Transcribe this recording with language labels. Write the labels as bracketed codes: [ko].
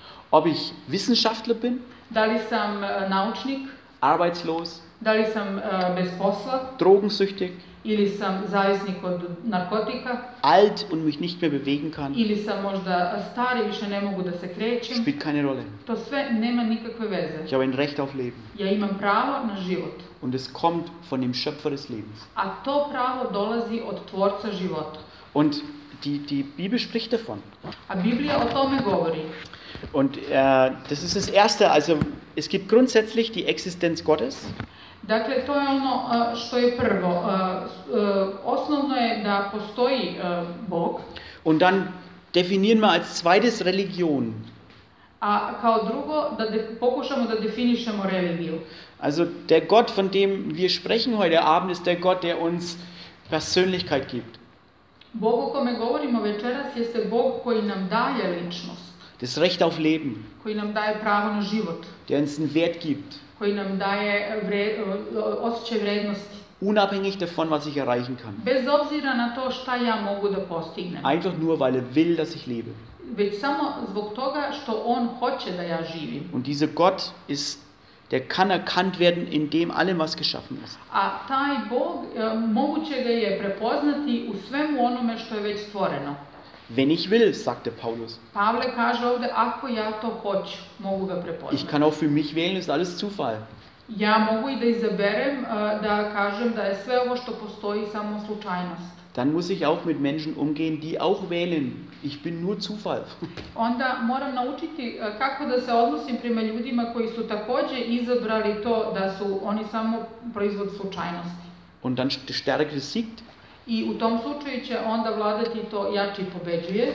[de] Ob ich Wissenschaftler bin? [sr] Da li sam naučnik? [de] Arbeitslos? [sr] Da li sam bez posla? [de] Drogensüchtig? [sr] Ili sam zavisnik od narkotika? [de] Alt und mich nicht mehr bewegen kann? [sr] Ili sam možda stari, više ne mogu da se krećem? [de] Spielt keine Rolle. [sr] To sve nema nikakve veze. [de] Ich habe ein Recht auf Leben. [sr] Ja imam pravo na život. [de] Und es kommt von dem Schöpfer des Lebens. [sr] A to pravo dolazi od tvorca života. [de] Und die Bibel spricht davon. [sr] A Biblija o tome govori. [de] Und das ist das Erste, also es gibt grundsätzlich die Existenz Gottes. [sr] Dakle, to je ono što je prvo. Osnovno je da postoji Bog. [de] Und dann definieren wir als zweites Religion. [sr] A kao drugo, da pokušamo da definišemo religiju. [de] Also der Gott, von dem wir sprechen heute Abend, ist der Gott, der uns Persönlichkeit gibt. [sr] Bog o kome govorimo večeras jeste Bog koji nam daje ličnost. [de] Das Recht auf Leben. [sr] Koji nam daje pravo na život. [de] Der uns einen Wert gibt. [sr] Koji nam daje osjećaj vrednosti. [de] Unabhängig davon, was ich erreichen kann. [sr] Bez obzira na to šta ja mogu da postignem. [de] Einfach nur, weil er will, dass ich lebe. [sr] Već samo zbog toga što on hoće da ja živim. [de] Und dieser Gott ist, der kann erkannt werden in dem allem, was geschaffen ist. [sr] A taj Bog moguće ga je prepoznati u svemu onome što je već stvoreno. [de] Wenn ich will, sagte Paulus. [sr] Pavle kaže ovde, ako ja to hoću, mogu ga prepoznati. [de] Ich kann auch für mich wählen, ist alles Zufall. [sr] Ja mogu i da izaberem, da kažem da je sve ovo što postoji samo slučajnost. [de] Dann muss ich auch mit Menschen umgehen, die auch wählen. Ich bin nur Zufall. [sr] Onda moram naučiti kako da se odnosim prema ljudima koji su takođe izabrali to da su oni samo proizvod slučajnosti. [de] Und dann stärker siegt. [sr] I u tom slučaju će onda vladati to jači pobeđuje.